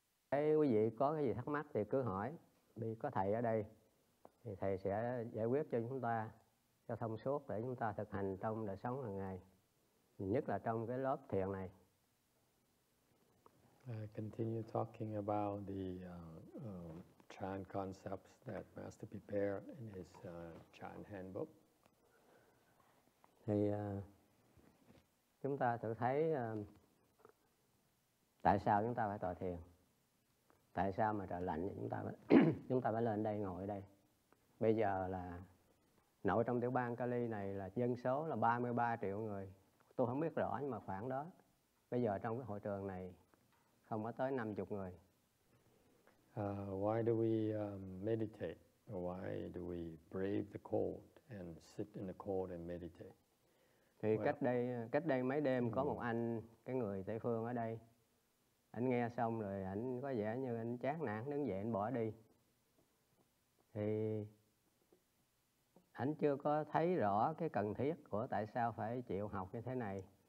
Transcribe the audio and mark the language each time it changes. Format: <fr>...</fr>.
<vi>Quý vị có cái gì thắc mắc thì cứ hỏi, vì có thầy ở đây thì thầy sẽ giải quyết cho chúng ta cho thông suốt để chúng ta thực hành trong đời sống hàng ngày, nhất là trong cái lớp thiền này.</vi> <en>Continue talking about the chan concepts that Master prepared in his chan handbook.</en> <vi>Thì chúng ta thử thấy tại sao chúng ta phải tọa thiền. Tại sao mà trời lạnh chúng ta chúng ta phải lên đây ngồi đây. Bây giờ là nội trong tiểu bang Cali này là dân số là 33 triệu người. Tôi không biết rõ nhưng mà khoảng đó. Bây giờ trong cái hội trường này không có tới 50 người.</vi> <en>Why do we meditate? Why do we brave the cold and sit in the cold and meditate?</en> <vi>Thì cách đây mấy đêm có một anh, cái người Tây phương ở đây. Anh nghe xong rồi anh có vẻ như anh chán nản, đứng dậy anh bỏ đi. Thì anh chưa có thấy rõ cái cần thiết của tại sao phải chịu học như thế này.</vi>